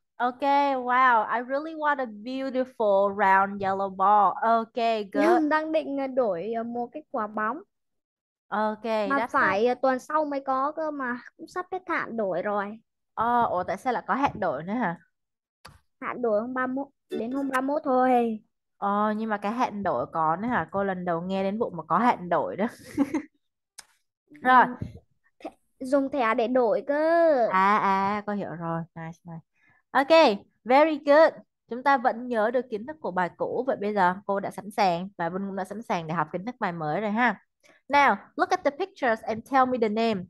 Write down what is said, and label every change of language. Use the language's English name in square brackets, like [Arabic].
[English] Okay, wow, I really want a beautiful round yellow ball. Okay, good. [Vietnamese] Nhưng đang định đổi mua cái quả bóng. [English] Okay, [Vietnamese] Mà [English] that's not. [Vietnamese] phải tuần sau mới có cơ mà. Cũng sắp hết hạn đổi rồi. Ồ, tại sao lại có hạn đổi nữa hả? Hạn đổi hôm 31. Đến hôm 31 thôi. Nhưng mà cái hạn đổi có nữa hả? Cô lần đầu nghe đến vụ mà có hạn đổi đó. Rồi. Dùng thẻ để đổi cơ. Cô hiểu rồi. [English] Nice, nice. Ok, very good. [Vietnamese] Chúng ta vẫn nhớ được kiến thức của bài cũ. Vậy bây giờ cô đã sẵn sàng và Vân cũng đã sẵn sàng để học kiến thức bài mới rồi ha. [English] Now, look at the pictures and tell me the name.